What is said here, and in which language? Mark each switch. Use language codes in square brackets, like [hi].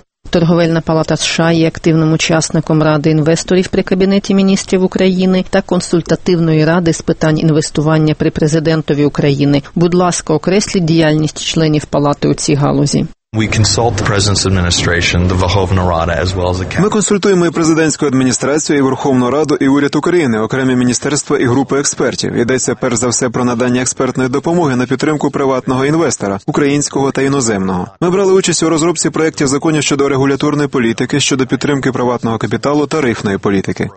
[uk] Торговельна палата США є активним учасником Ради інвесторів при Кабінеті міністрів України та консультативної ради з питань інвестування при президентові України. Будь ласка, окресліть діяльність членів палати у цій галузі. [en] We consult the President's administration, the Verkhovna Rada, as well as the [uk] Cabinet. Ми консультуємо і президентську адміністрацію, і Верховну Раду, і уряд України, окремі міністерства і групи експертів. Йдеться перш за все про надання експертної допомоги на підтримку приватного інвестора, українського та іноземного. Ми брали участь у розробці проєктів законів щодо регуляторної політики, щодо підтримки приватного капіталу та тарифної політики.